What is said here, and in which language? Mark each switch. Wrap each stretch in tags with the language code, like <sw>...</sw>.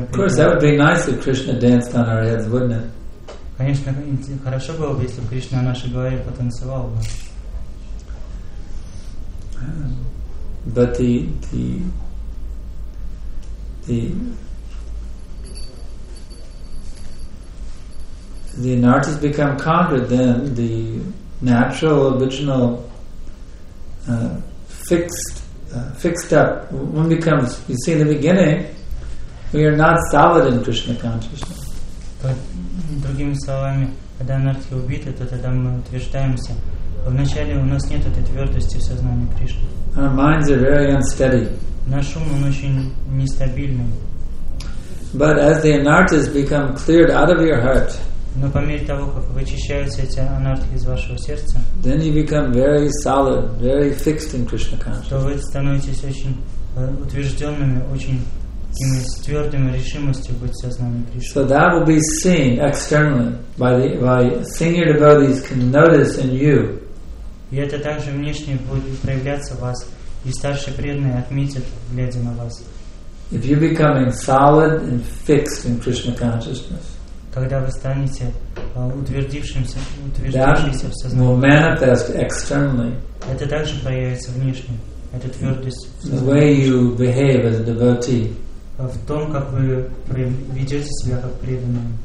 <en>Of course, that would be nice if Krishna danced on our heads, wouldn't it?</en> <ru>Конечно, хорошо было бы, если бы Кришна на нашей голове потанцевал бы.</ru> <en>But the anarthas become conquered, then the natural, original, fixed up. One becomes, you see, in the beginning, we are not solid in Krishna consciousness.</en> <ru>But, другими словами, когда анархи убиты, то тогда мы утверждаемся. Вначале у нас нет этой твердости в сознании Кришны.</ru> <en>Our minds are very unsteady.</en> <ru>Наш ум, он очень нестабильный.</ru> <en>But as the anarthas become cleared out of your heart,</en> <ru>но по мере того, как вычищаются эти анархи из вашего сердца,</ru> <en>then you become very solid, very fixed in Krishna consciousness.</en> <ru>То вы становитесь очень утвержденными, очень с твердыми решимостью быть в сознании Кришны.</ru> <en>So that will be seen externally by senior devotees can notice in you.</en> <ru>И это также внешне будет проявляться в вас, и старшие преданные отметят, глядя на вас.</ru> <en>If you're becoming solid and fixed in Krishna consciousness.</en> <ru>Когда вы станете утвердившимся в сознании.</ru> <en>Will manifest externally.</en> <ru>Это также проявится внешне. Это твердость.</ru> <en>The way you behave as a devotee.</en> <ru>В том, как вы ведете себя как преданный.</ru>